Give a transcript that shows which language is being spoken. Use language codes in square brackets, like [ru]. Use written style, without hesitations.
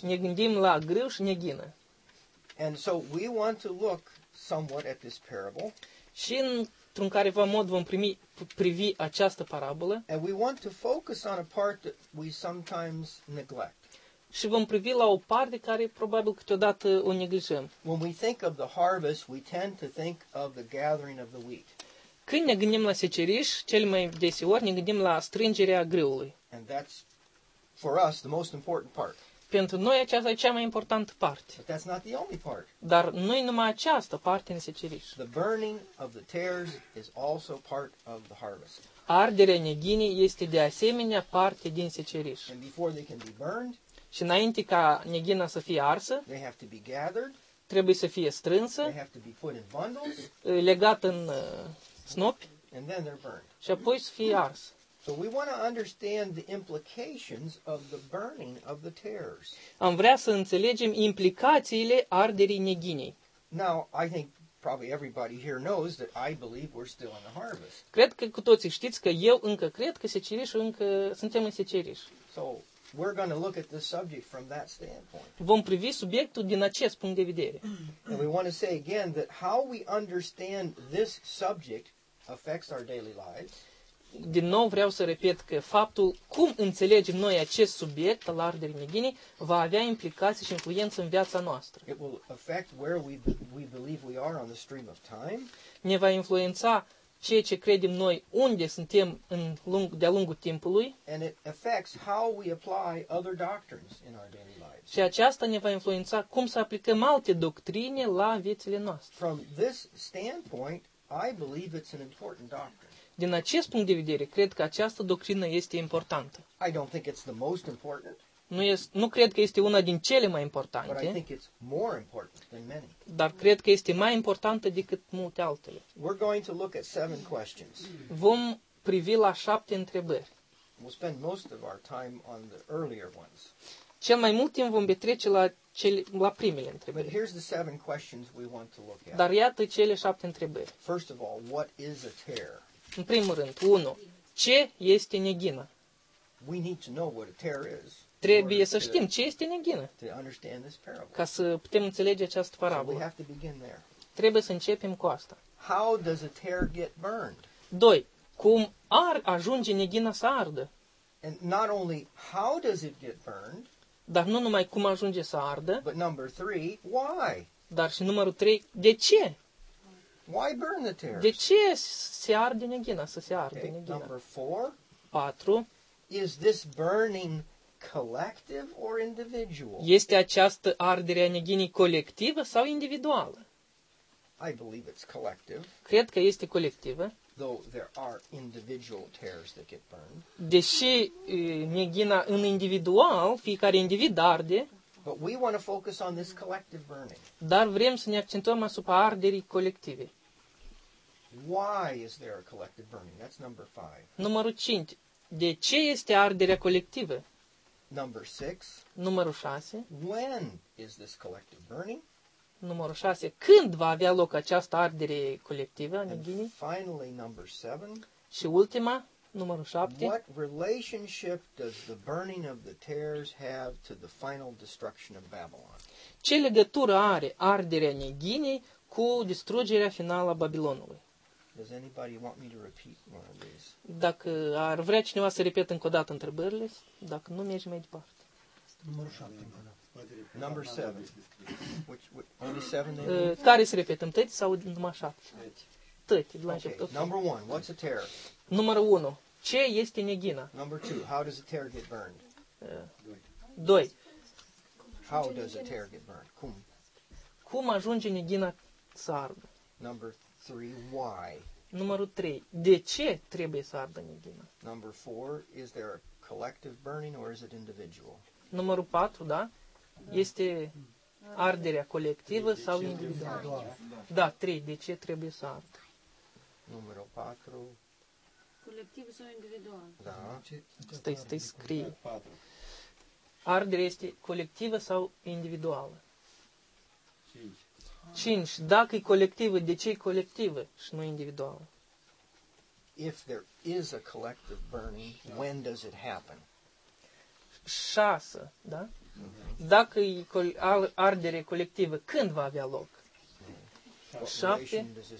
[ro] Ne gândim la grâu și neghină. [en] And so we want to look somewhat at this parable. [ro] Și într-un careva mod vom privi această parabolă. [en] And we want to focus on a part that we sometimes neglect. [ro] Și vom privi la o parte care probabil câteodată o neglijăm. [en] When we think of the harvest, we tend to think of the gathering of the wheat. [ro] Când ne gândim la seceriș, cel mai deseori ne gândim la strângerea grâului. [en] And that's for us the most important part. [ro] Pentru noi aceasta e cea mai importantă parte. [en] But that's not the only part. [ro] Dar nu e numai această parte în seceriș. [en] The burning of the tares is also part of the harvest. [ro] Arderea neghinii este de asemenea parte din seceriș. [en] And before they can be burned, [ro] și înainte ca neghina să fie arsă, [en] they have to be gathered, [ro] trebuie să fie strânsă, [en] they have to be put in bundles, [ro] legat în snopi, [en] and then they're burned. [ro] Și apoi să fie arsă. [en] So we want to understand the implications of the burning of the tares. [ro] Am vrea să înțelegem implicațiile arderii neghinei. [en] Now, I think probably everybody here knows that I believe we're still in the harvest. [ro] Cred că cu toții știți că eu încă cred că secerișul încă suntem în seceriș. [en] So we're going to look at this subject from that standpoint. [ro] Vom privi subiectul din acest punct de vedere. [en] And we want to say again that how we understand this subject affects our daily lives. [ro] Din nou vreau să repet că faptul cum înțelegem noi acest subiect al arderii neghinii va avea implicații și influență în viața noastră. [en] It will affect where we believe we are on the stream of time. [ro] Ne va influența ceea ce credem noi unde suntem în lung, de-a lungul timpului. [en] And it affects how we apply other doctrines in our daily lives. [ro] Și aceasta ne va influența cum să aplicăm alte doctrine la viețile noastre. [en] From this standpoint, I believe it's an important doctrine. [ro] Din acest punct de vedere, cred că această doctrină este importantă. [en] I don't think it's the most important. [ro] Nu cred că este una din cele mai importante. [en] But I think it's more important than many. [ro] Dar cred că este mai importantă decât multe altele. [en] We're going to look at seven questions. [ro] Vom privi la șapte întrebări. [en] We'll spend most of our time on the earlier ones. [ro] Cel mai mult timp vom petrece la primele întrebări. [en] But here's the seven questions we want to look at. [ro] Dar iată cele șapte întrebări. [en] First of all, what is a tear? [ro] În primul rând, 1. Ce este neghina? [en] We need to know what a tear is. [ro] Trebuie să știm ce este neghina. [en] To understand this parable. [ro] Ca să putem înțelege această parabolă. [en] So we have to begin there. [ro] Trebuie să începem cu asta. [en] How does a tear get burned? [ro] 2. Cum ajunge neghina să ardă? [en] And not only how does it get burned, [ro] dar nu numai cum ajunge să ardă, [en] but number 3, why? [ro] Dar și numărul 3, de ce? [en] Why burn the tares? [ro] De ce se arde neghina, să se arde neghina? [en] Number 4. [ro] 4. [en] Is this burning collective or individual? [ro] Este această ardere a neghinii colectivă sau individuală? [en] I believe it's collective. [ro] Cred că este colectivă. [en] Though there are individual tares that get burned. [ro] Deși neghina în individual, fiecare individ arde. [en] But we want to focus on this collective burning. [ro] Dar vrem să ne accentuăm asupra arderii colective. [en] Why is there a collective burning? That's number 5. [ro] Numărul 5. De ce este arderea colectivă? [en] Number 6. [ro] Numărul 6. [en] When is this collective burning? [ro] Numărul 6. Când va avea loc această ardere colectivă a neghinii? [en] And finally, number 7. [ro] Și ultima. Numărul 7. [en] What relationship does the burning of the tares have to the final destruction of Babylon? [ro] Ce legătură are arderea neghinii cu distrugerea finală a Babilonului? [en] Does anybody want me to repeat one of these? [ro] Dacă ar vrea cineva să repete încă o dată întrebările, dacă nu, mergem mai departe. Numărul 7. [en] Number 7. Only 7 [ro] care se repetăm, tăti sau numai 7? Tăti, de la început. [en] Okay. Number 1, what's a tear? [ro] Numărul 1. Ce este neghina? [en] Number 2. How does a tear get burned? [ro] 2. [en] How does a tear get burned? [ro] Cum? Cum ajunge neghina să ardă? [en] Number 3. Why? [ro] Numărul 3. De ce trebuie să ardă neghina? [en] Number 4. Is there a collective burning or is it individual? [ro] Numărul 4, da? Este arderea colectivă sau individuală? Da, 3. De ce trebuie să ardă? Numărul 4. Colectivă sau individuală? Da. Stai, scrie. Ardere este colectivă sau individuală? 5. Dacă e colectivă, de ce e colectivă și nu individuală? [en] If there is a collective burning, when does it happen? [ro] 6, da? Dacă e ardere colectivă, când va avea loc? 7.